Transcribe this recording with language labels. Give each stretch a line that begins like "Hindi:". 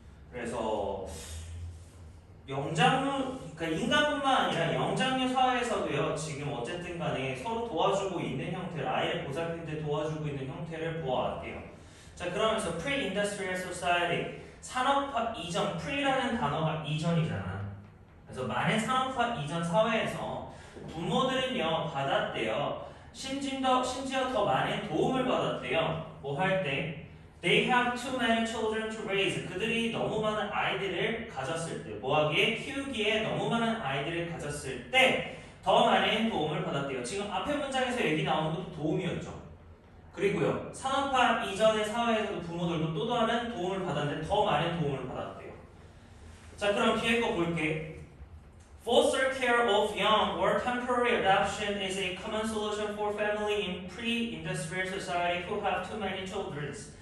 Korean: 그래서 영장류, 그러니까 인간뿐만 아니라 영장류 사회에서도요, 지금 어쨌든 간에 서로 도와주고 있는 형태를, 아이를 보살필 때 도와주고 있는 형태를 보아왔대요. 자, 그러면서 pre-industrial society, 산업화 이전, pre라는 단어가 이전이잖아. 그래서 많은 산업화 이전 사회에서 부모들은요, 받았대요. 심지어 더 많은 도움을 받았대요. 뭐 할 때?
English: They have too many children to raise.
Korean: 그들이 너무 많은 아이들을 가졌을 때, 뭐하기에 키우기에 너무 많은 아이들을 가졌을 때 더 많은 도움을 받았대요. 지금 앞에 문장에서 얘기 나오는 것도 도움이었죠. 그리고요, 산업화 이전의 사회에서도 부모들도 또 다른 도움을 받았는데 더 많은 도움을 받았대요. 자, 그럼 뒤에 거 볼게.
English: Foster care of young or temporary adoption is a common solution for family in pre-industrial society who have too many children.